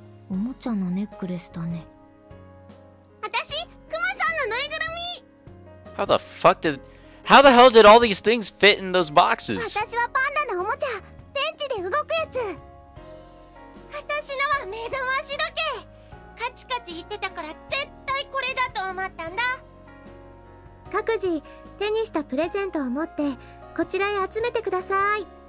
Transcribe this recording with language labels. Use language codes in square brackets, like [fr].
[ja] おもちゃのネックレスだね。私、クマさんのぬいぐるみ。 [en] How the hell did all these things fit in those boxes? [ja] 私はパンダのおもちゃ、電池で動くやつ。私のは目覚まし時計。カチカチ言ってたから絶対これだと思ったんだ。各自手にしたプレゼントを持ってこちらへ集めてください。